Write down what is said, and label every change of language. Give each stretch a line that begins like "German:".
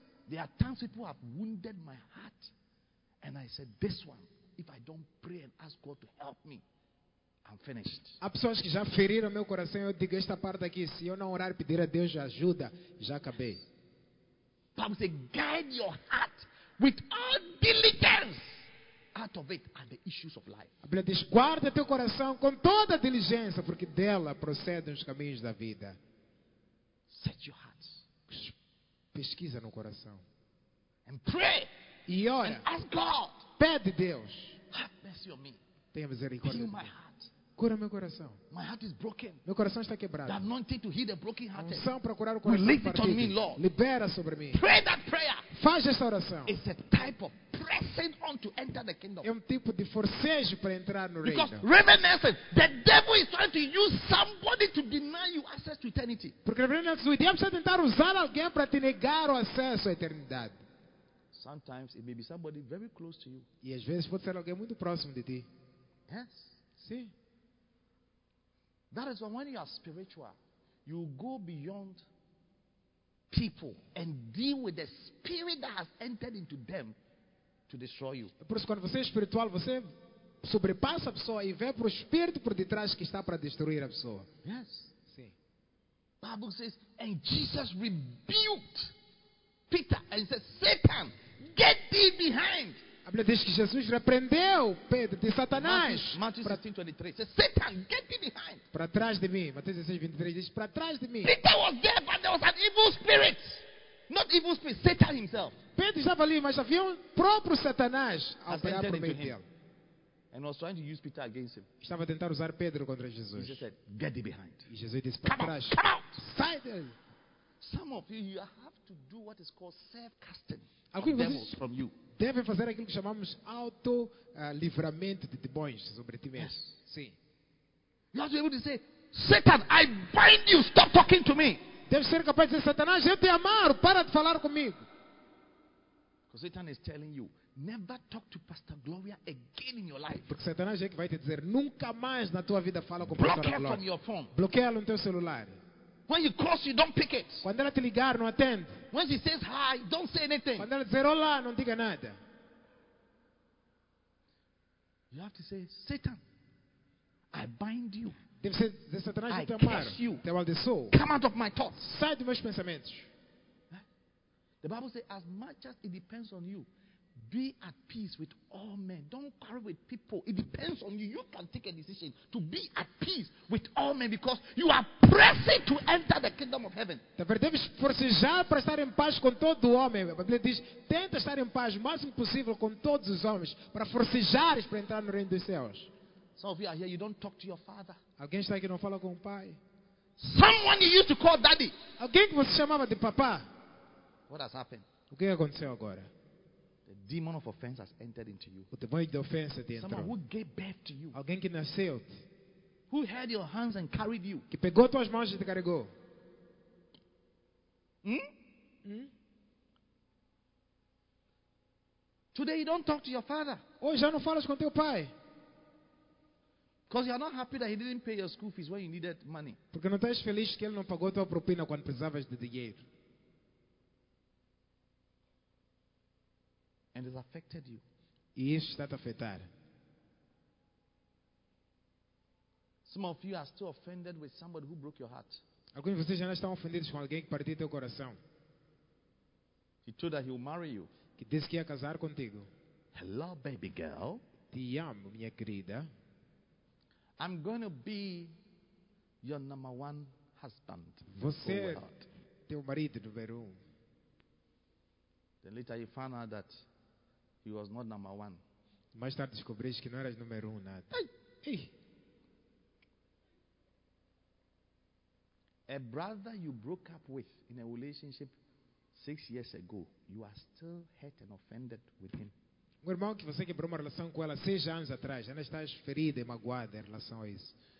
English: There are times people have wounded my heart, and I said, this one, if I don't pray and ask God to help me, I'm finished.
Portuguese: Há pessoas que já feriram meu coração. Eu digo esta parte aqui: se eu não orar e pedir a Deus ajuda, já acabei. Paulo diz:
English: guide your heart with all diligence out of it and the issues of life.
Portuguese: A Bíblia diz: guarda teu coração com toda diligência, porque dela procedem os caminhos da vida.
English: Set your heart.
Portuguese: Pesquisa no coração.
English: And pray.
Portuguese: E ora.
English: And ask God.
Portuguese: Pede Deus.
English: Have mercy on me.
Portuguese: Tenha misericórdia.
English: Heal my heart.
Portuguese: Cura meu coração.
English: My heart is broken.
Portuguese: Meu coração está quebrado.
English: The anointing to heal the broken hearted.
Portuguese: Unção para curar o coração partido. Libera sobre mim.
English: Pray that prayer.
Portuguese: Faz essa oração.
English: It's a type of pressing on to enter the kingdom.
Portuguese: É tipo de forcejo para entrar no
English: Because
Portuguese: reino.
English: Because Roman says the devil is trying to use somebody to deny you access to eternity.
Portuguese: Porque
English: Roman says
Portuguese: o diabo está tentando usar alguém para te negar o acesso à eternidade.
English: Sometimes it may be somebody very close to you.
Portuguese: E às vezes pode ser alguém muito próximo de ti.
English: Yes.
Portuguese: Sim.
English: That is when you are spiritual, you go beyond people and deal with the spirit that has entered into them to destroy you.
Portuguese: Por isso, quando você é espiritual, você sobrepassa a pessoa e vê para o espírito por detrás que está para destruir a pessoa.
English: Yes.
Portuguese: Sim.
English: Bible says, and Jesus rebuked Peter and said, Satan, get thee behind.
Portuguese: A Bíblia diz que Jesus repreendeu Pedro de Satanás.
English: Matthew 16:23.
Portuguese: Para trás de mim. Matthew 16:23 diz, para trás de mim.
English: Peter was there, but there was an evil spirit. Not evil spirit, Satan himself.
Portuguese: Pedro estava ali, mas havia próprio Satanás a operar por meio dele.
English: And was trying to use Peter against him.
Portuguese: Estava a tentar usar Pedro contra Jesus.
English: Jesus said, get thee behind.
Portuguese: E Jesus disse, para trás.
English: Come out.
Portuguese: Sai dele.
English: Some of you, you have to do what is called self-casting.
Portuguese: Alguns de vocês devem fazer aquilo que chamamos auto-livramento de demônios sobre ti mesmo.
English: Yes.
Portuguese: Sim.
English: You have to be able to say, Satan, I bind you, stop talking to me.
Portuguese: Deve ser capaz de dizer, Satanás, eu te amaro, para de falar comigo.
English: Because Satan is telling you, never talk to Pastor Gloria again in your life.
Portuguese: Porque Satanás é que vai te dizer, nunca mais na tua vida fala com Pastor Gloria.
English: Block her from your phone.
Portuguese: Bloqueia-lo no teu celular.
English: When he calls you, don't pick it.
Portuguese: Quando ela te ligar, não atende.
English: When she says hi, don't say anything.
Portuguese: Quando ela dizer olá, não diga nada.
English: You have to say, Satan, I bind you.
Portuguese: Deve ser, de Satanás,
English: I
Portuguese: te
English: curse you.
Portuguese: Te maldiçoo.
English: Come out of my thoughts.
Portuguese: Sai dos meus pensamentos.
English: The Bible says, as much as it depends on you, be at peace with all men. Don't quarrel with people. It depends on you. You can take a decision to be at peace with all men because you are pressing to enter the kingdom of heaven.
Portuguese: Deves forcejar para estar em paz com todo homem. A Bíblia diz, tenta estar em paz o máximo possível com todos os homens para forcejares para entrar no reino dos céus.
English: Some of you are here, you don't talk to your father.
Portuguese: Alguém está aqui não fala com o pai.
English: Someone you used to call daddy.
Portuguese: Alguém que você chamava de papá.
English: What has happened?
Portuguese: O que aconteceu agora?
English: The demon of offense has entered into you.
Portuguese: O demônio de ofensa te entrou.
English: Someone who gave birth to you.
Portuguese: Alguém que nasceu.
English: Who held your hands and carried you.
Portuguese: Que pegou tuas mãos e te carregou.
English: Today you don't talk to your father.
Portuguese: Hoje já não falas com teu pai.
English: Because you are not happy that he didn't pay your school fees when you needed money.
Portuguese: Porque não estás feliz que ele não pagou tua propina quando precisavas de dinheiro.
English: And it's affected you.
Portuguese: E isso está a afetar.
English: Some of you are still offended with somebody who broke your heart.
Portuguese: Alguns de vocês ainda estão ofendidos com alguém que partiu teu coração.
English: He told that he will marry you.
Portuguese: Que disse que ia casar contigo.
English: Hello, baby girl.
Portuguese: Te amo, minha querida.
English: I'm going to be your number one husband.
Portuguese: Você é teu marido número um.
English: Then later you found out that he was not number one.
Portuguese: Mais tarde descobriste que não eras número um nada.
English: Hey. A brother you broke up with in a relationship 6 years ago, you are still hurt and offended with him.
Portuguese: Um irmão que você quebrou uma relação com ela 6 anos atrás, ainda estás ferida e magoada em relação a isso.